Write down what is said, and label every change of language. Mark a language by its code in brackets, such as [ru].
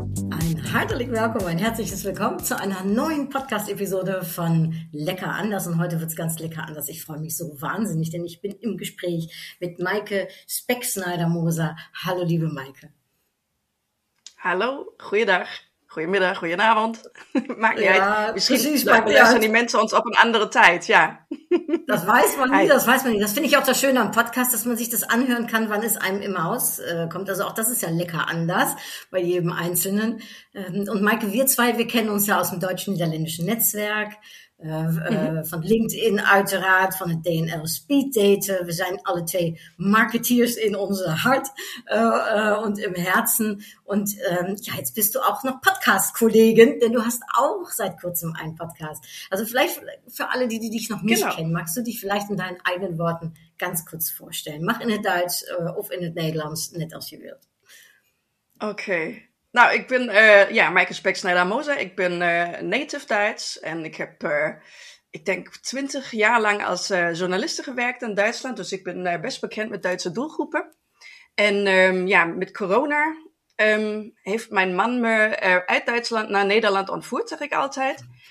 [de] Ein herzlich willkommen, ein herzliches Willkommen zu einer neuen Podcast-Episode von Lecker anders. Und heute wird es ganz lecker anders. Ich freue mich so wahnsinnig, denn ich bin im Gespräch mit Maike Specksnyder-Moser. Hallo, liebe Maike. [nl] Hallo, goeiedag, goeiemiddag, goeienavond. Maakt niet uit. Misschien luisteren die mensen ons op een andere tijd, ja. [de] Das weiß man nie, das weiß man nie. Das finde ich auch das Schöne am Podcast, dass man sich das anhören kann, wann es einem im Haus kommt. Also auch das ist ja lecker anders bei jedem Einzelnen. Und Maike, wir zwei, wir kennen uns ja aus dem deutsch-niederländischen Netzwerk, von LinkedIn, alterat, von der DNL Speed Date. Wir sind alle zwei Marketeers in unserem Hart und im Herzen. Und ja, jetzt bist du auch noch Podcast-Kollegin, denn du hast auch seit kurzem einen Podcast. Also vielleicht für alle, die dich noch nicht kennen, magst du dich vielleicht in deinen eigenen Worten ganz kurz vorstellen. [nl] Mach in het Deutsch of in het Nederlands, net als je wilt. Okay. Nou, ik ben Maike Specksnyder-Moser. Ik ben native Duits en ik heb, ik denk, 20 jaar lang als journaliste gewerkt in Duitsland. Dus ik ben best bekend met Duitse doelgroepen. En met corona heeft mijn man me uit Duitsland naar Nederland ontvoerd, zeg ik altijd.